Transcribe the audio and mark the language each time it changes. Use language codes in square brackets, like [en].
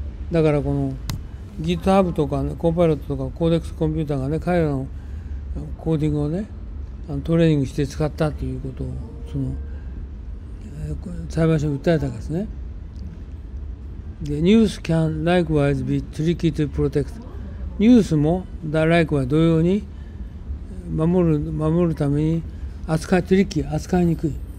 [ja] だからこの GitHub とか、ね、コーパイロットとか Codex コンピューターがね、彼らのコーディングをね、トレーニングして使ったということをその裁判所に訴えたわけですね。で、ニュース [en] can likewise be tricky to protect。 [ja] ニュースも、likewise同様に守るために扱い、トリッキー、扱いにくい。